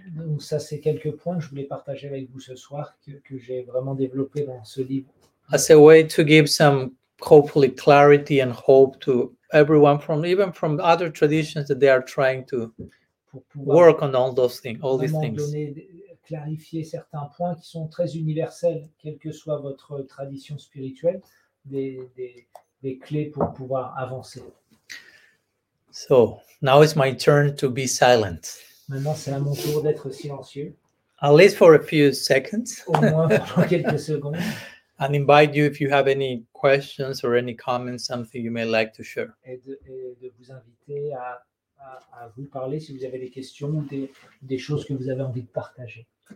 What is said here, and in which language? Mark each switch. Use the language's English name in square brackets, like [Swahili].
[French] Donc ça, c'est quelques points que je voulais partager avec vous ce soir que j'ai vraiment développé dans ce livre. [English] As a way to give some hopefully clarity and hope to everyone from even from other traditions that they are trying to work on all those things, all these things. [French] Clarifier certains points qui sont très universels, quelle que soit votre tradition spirituelle, des clés pour pouvoir avancer. [English] So now it's my turn to be silent. [French] Maintenant c'est à mon tour d'être silencieux. [English] At least for a few seconds. [French] Au moins pendant quelques secondes. [English] And invite you if you have any questions or any comments, something you may like to share. [French] Et de vous inviter à vous parler si vous avez des questions ou des choses que vous avez envie de partager.